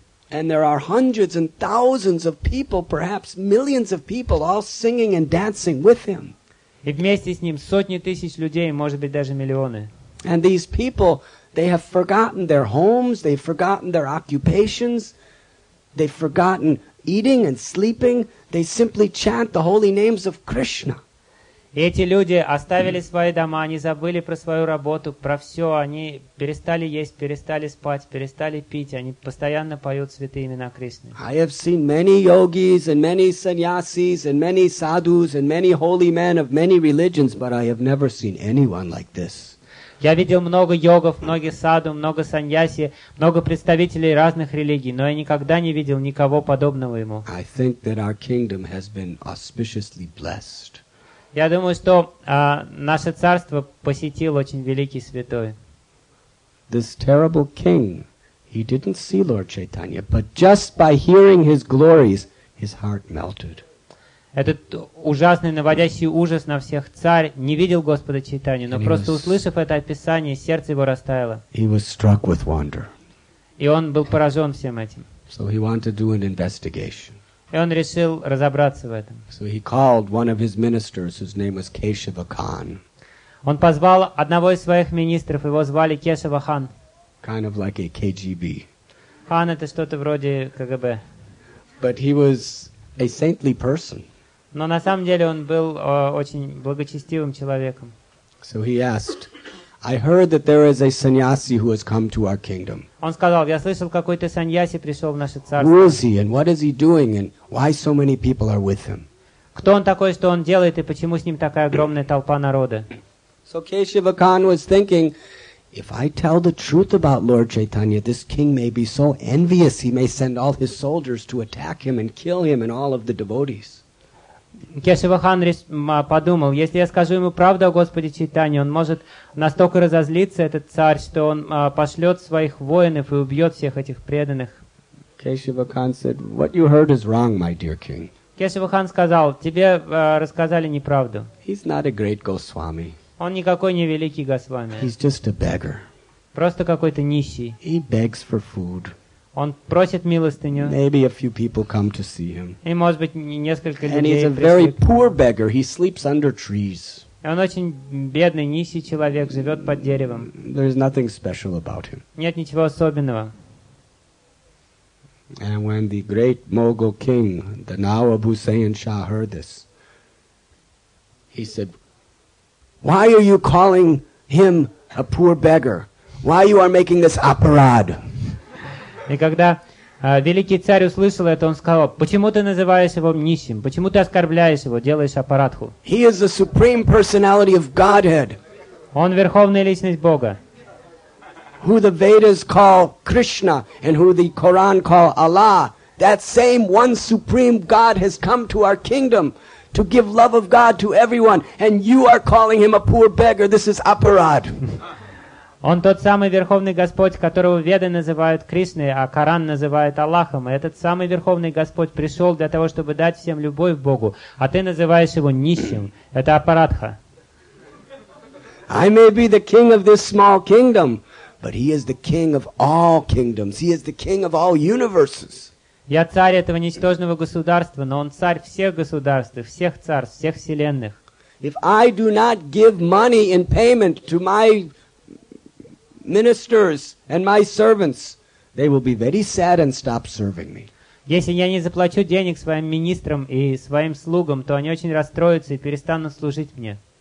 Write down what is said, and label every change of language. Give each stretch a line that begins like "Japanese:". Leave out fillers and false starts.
English: And there are hundreds and thousands of people, perhaps millions of people, all singing and dancing with him.
Russian: И вместе с ним сотни тысяч людей, может быть, даже миллионы.
English: And these people, they have forgotten their homes, they've forgotten their occupations, they've forgotten eating and sleeping, they simply chant the holy names of Krishna.
Russian: И эти люди оставили свои дома, они забыли про свою работу, про все, они перестали есть, перестали спать, перестали пить, они постоянно поют святые имена Кришны.
English: I have seen many yogis and many sannyasis and many sadhus and many holy men of many religions, but I have never seen anyone like this.
Russian: Я видел много йогов, много садху, много саньяси, много представителей разных религий, но я никогда не видел никого подобного ему.
English: I think that our kingdom has been auspiciously blessed.
Russian: Я думаю, что наше царство посетил очень великий святой.
English: This terrible king, he didn't see Lord Chaitanya, but just by hearing his glories, his heart melted.
Russian: Этот ужасный, наводящий ужас на всех царь не видел Господа Чайтанью, но просто услышав это описание, сердце его растаяло.
English: He was struck with wonder.
Russian: И он был поражен всем этим.
English: So he wanted to do an investigation.
Russian: И он решил разобраться в этом.
English: So he called one of his ministers, whose name was Keshava Khan.
Russian: Он позвал одного из своих министров, его звали Кешава Хан.
English: Kind of like a KGB.
Russian: Хан — это что-то вроде КГБ.
English: But he was a saintly person.
Russian: Но на самом деле он был очень благочестивым человеком.
English: So he asked, I heard that there is a sannyasi who has come to our kingdom.
Russian: Он сказал, я слышал, какой-то сannyasi пришел в наше царство.
English: Who is he and what is he doing and why so many people are with him?
Russian: Кто он такой, что он делает и почему с ним такая огромная толпа народа?
English: So Keshava Khan was thinking, if I tell the truth about Lord Chaitanya, this king may be so envious he may send all his soldiers to attack him and kill him and all of the devotees.
Russian: Кешава Хан подумал, если я скажу ему правду о Господе Чайтанье, он может настолько разозлиться, этот царь, что он пошлет своих воинов и убьет всех этих преданных.
English: Кешава Хан said, what you heard is wrong, my dear king.
Russian: Кешава Хан сказал, тебе рассказали неправду.
English: He's not a great Goswami.
Russian: Он никакой не великий Госвами.
English: He's just a beggar.
Russian: Просто какой-то нищий.
English: He begs for food.
Russian: Он просит милостыню.
English: Maybe a few people come to see him.
Russian: И, может быть, несколько людей.
English: And he's a very poor beggar. He sleeps under trees.
Russian: И он очень бедный, нищий человек, живет под деревом.
English: There is nothing special about him.
Russian: Нет ничего особенного.
English: And when the great Mughal king, the Nawab Hussein Shah, heard this, he said, "Why are you calling him a poor beggar? Why you are making this aparad?"
Russian: И когда великий царь услышал это, он сказал, почему ты называешь его нищим? Почему ты оскорбляешь его, делаешь апарадху?
English: He is the supreme personality of Godhead.
Russian: Он верховная личность Бога.
English: Who the Vedas call Krishna and who the Quran call Allah. That same one supreme God has come to our kingdom to give love of God to everyone. And you are calling him a poor beggar. This is aparad.
Russian: Он тот самый Верховный Господь, которого Веды называют Кришной, а Коран называют Аллахом. И этот самый Верховный Господь пришел для того, чтобы дать всем любовь Богу, а ты называешь его нищим. Это апарадха.
English: I may be the king of this small kingdom, but he is the king of all kingdoms. He is the king of all universes.
Russian: Я царь этого ничтожного государства, но он царь всех государств, всех царств, всех вселенных.
English: If I do not give money in payment to my ministers and my servants, they will be very sad and stop serving me.
Russian: Если я не заплачу денег своим министрам и своим слугам, то они очень расстроятся и перестанут служить мне.